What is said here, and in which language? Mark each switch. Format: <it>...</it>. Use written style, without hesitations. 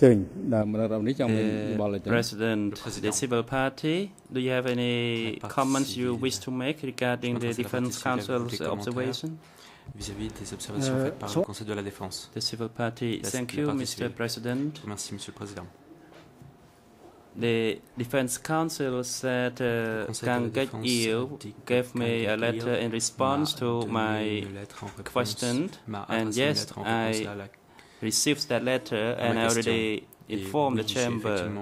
<en>President, the civil party, do you have any comments you wish to make regarding the Defense Council's observation?</en> <fr>Vis-à-vis des observations faites par le Conseil de la Défense.</fr> <en>The civil party, thank you, Mr. President.</en> <fr>Merci, Monsieur le Président.</fr> <en>The Defense Council said Kangayil gave me a letter in response to my question, and yes, I received that letter and I already informed the chamber.</en>